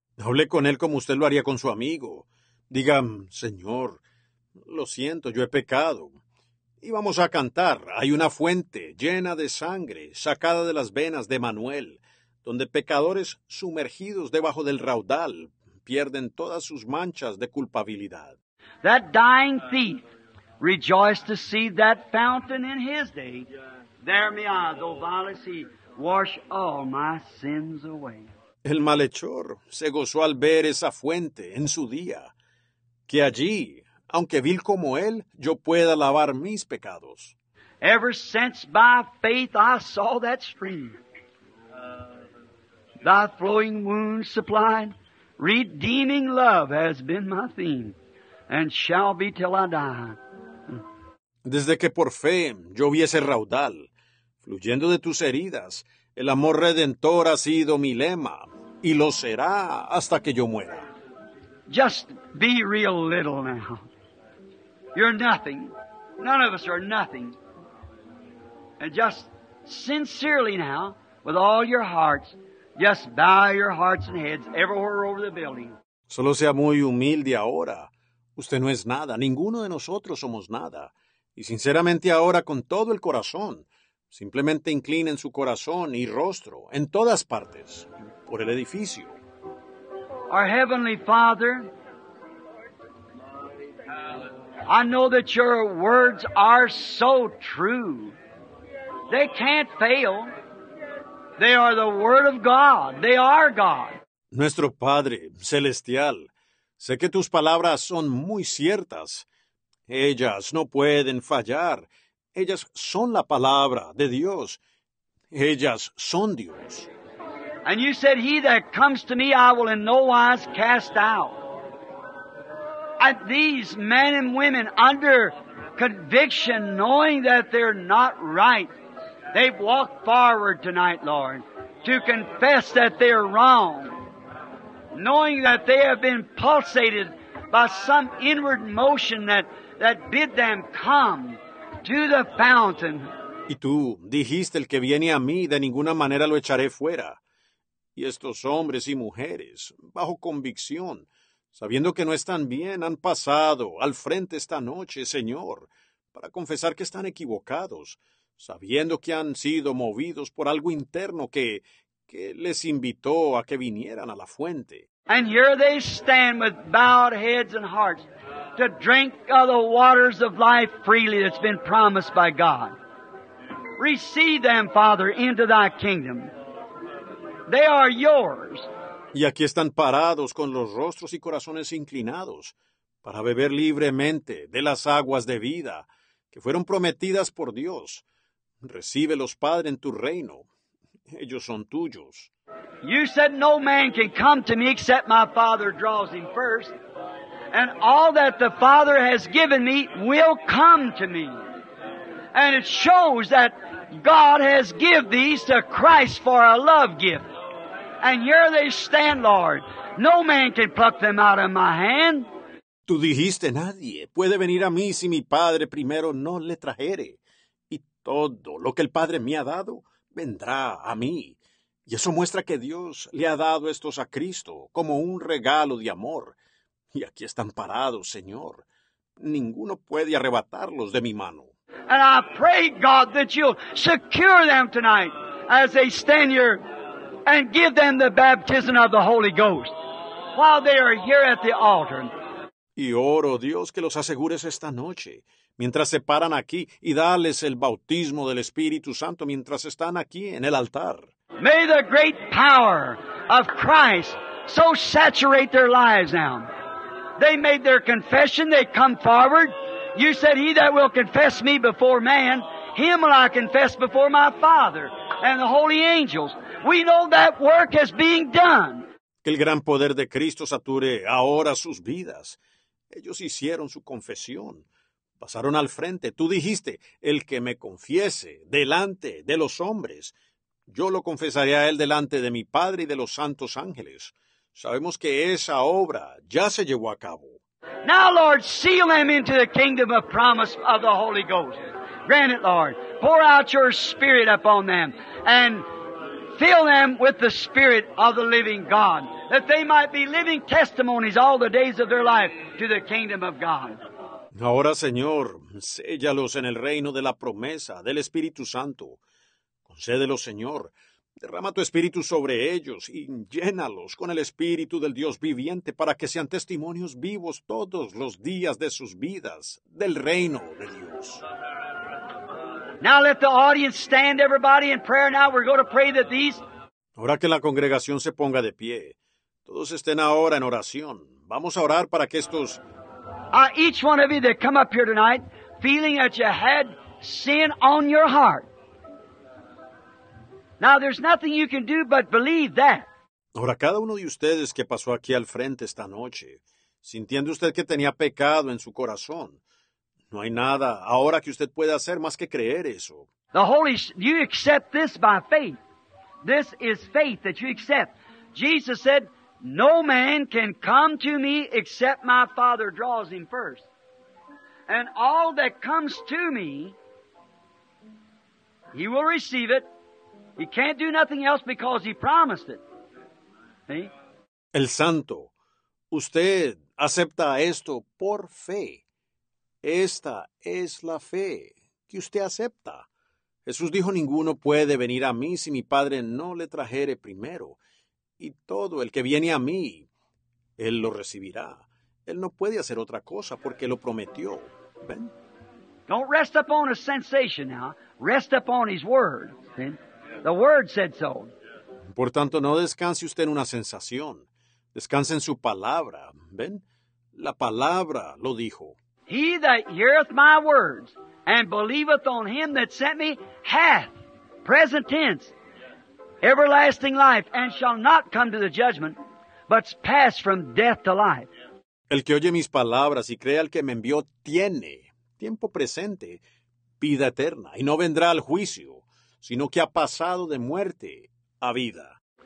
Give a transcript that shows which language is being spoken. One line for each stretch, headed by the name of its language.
Spanish: Hable con él como usted lo haría con su amigo. Diga, Señor, lo siento, yo he pecado. Y vamos a cantar, hay una fuente llena de sangre, sacada de las venas de Manuel, donde pecadores sumergidos debajo del raudal pierden todas sus manchas de culpabilidad.
English: That dying thief rejoiced to see that fountain in his day. There me I, though vile as he, wash all my sins away.
Spanish: El malhechor se gozó al ver esa fuente en su día, que allí, aunque vil como él, yo pueda lavar mis pecados.
English: Ever since by faith I saw that stream, thy flowing wounds supplied, redeeming love has been my theme, and shall be till I die.
Spanish: Desde que por fe yo vi ese raudal, fluyendo de tus heridas, el amor redentor ha sido mi lema, y lo será hasta que yo muera.
English: Just be real little now. You're nothing. None of us are nothing. And just sincerely now, with all your hearts, just bow your hearts and heads everywhere over the building.
Spanish: Solo sea muy humilde ahora. Usted no es nada. Ninguno de nosotros somos nada. Y sinceramente ahora, con todo el corazón, simplemente inclinen su corazón y rostro en todas partes por el edificio.
English: Our Heavenly Father, I know that your words are so true. They can't fail. They are the word of God. They are God.
Spanish: Nuestro Padre Celestial, sé que tus palabras son muy ciertas. Ellas no pueden fallar. Ellas son la palabra de Dios. Ellas son Dios.
English: And you said, he that comes to me, I will in no wise cast out. And these men and women under conviction, knowing that they're not right, they've walked forward tonight, Lord, to confess that they're wrong, knowing that they have been pulsated by some inward motion that bid them come to the fountain.
Spanish: Y tú dijiste, el que viene a mí, de ninguna manera lo echaré fuera. Y estos hombres y mujeres, bajo convicción, sabiendo que no están bien, han pasado al frente esta noche, Señor, para confesar que están equivocados, sabiendo que han sido movidos por algo interno que les invitó a que vinieran a la fuente.
English: And here they stand with bowed heads and hearts to drink of the waters of life freely that's been promised by God. Receive them, Father, into thy kingdom. They are yours.
Spanish: Y aquí están parados con los rostros y corazones inclinados para beber libremente de las aguas de vida que fueron prometidas por Dios. Recíbelos, Padre, en tu reino. Ellos son tuyos.
English: You said no man can come to me except my Father draws him first. And all that the Father has given me will come to me. And it shows that God has given these to Christ for a love gift. And here they stand, Lord. No man can pluck them out of my hand.
Spanish: Tú dijiste, nadie puede venir a mí si mi Padre primero no le trajere. Y todo lo que el Padre me ha dado vendrá a mí. Y eso muestra que Dios le ha dado estos a Cristo como un regalo de amor. Y aquí están parados, Señor. Ninguno puede arrebatarlos de mi mano.
English: And I pray, God, that you'll secure them tonight as they stand here. And give them the baptism of the Holy Ghost while they are here at the altar.
Spanish: Y oro, Dios, que los asegures esta noche, mientras se paran aquí, y dales el bautismo del Espíritu Santo mientras están aquí en el altar.
English: May the great power of Christ so saturate their lives now. They made their confession, they come forward. You said, he that will confess me before man, him will I confess before my Father and the holy angels. We know that work is being done.
Spanish: Que el gran poder de Cristo sature ahora sus vidas. Ellos hicieron su confesión. Pasaron al frente. Tú dijiste, el que me confiese delante de los hombres, yo lo confesaré a él delante de mi Padre y de los santos ángeles. Sabemos que esa obra ya se llevó a cabo.
English: Now, Lord, seal them into the kingdom of promise of the Holy Ghost. Grant it, Lord. Pour out your Spirit upon them and fill them with the Spirit of the living God, that they might be living testimonies all the days of their life to the kingdom of God.
Spanish: Ahora, Señor, séllalos en el reino de la promesa del Espíritu Santo. Concédelos, Señor. Derrama tu Espíritu sobre ellos y llénalos con el Espíritu del Dios viviente para que sean testimonios vivos todos los días de sus vidas del reino de Dios.
English: Now let the audience stand, everybody, in prayer. Now we're going to pray that these...
Spanish: Ahora que la congregación se ponga de pie, todos estén ahora en oración. Vamos a orar para que estos...
English: Each one of you that come up here tonight feeling that you had sin on your heart. Now there's nothing you can do but believe that.
Spanish: Ahora cada uno de ustedes que pasó aquí al frente esta noche, sintiendo usted que tenía pecado en su corazón, no hay nada ahora que usted pueda hacer más que creer eso.
English: The Holy, you accept this by faith. This is faith that you accept. Jesus said, "No man can come to me except my Father draws him first." And all that comes to me, he will receive it. He can't do nothing else because he promised it. ¿Eh?
Spanish: El santo, usted acepta esto por fe. Esta es la fe que usted acepta. Jesús dijo, ninguno puede venir a mí si mi Padre no le trajere primero. Y todo el que viene a mí, él lo recibirá. Él no puede hacer otra cosa porque lo prometió. ¿Ven?
English: Don't rest upon a sensation now. Rest upon his word.
Spanish: ¿Ven?
English: The word said so.
Spanish: Por tanto, no descanse usted en una sensación. Descanse en su palabra. ¿Ven? La palabra lo dijo.
English: He that heareth my words and believeth on him that sent me hath, present tense, everlasting life, and shall not come to the judgment, but pass from death to life.
Spanish: El que oye mis palabras y cree al que me envió tiene, tiempo presente, vida eterna, y no vendrá al juicio, sino que ha pasado de muerte a vida.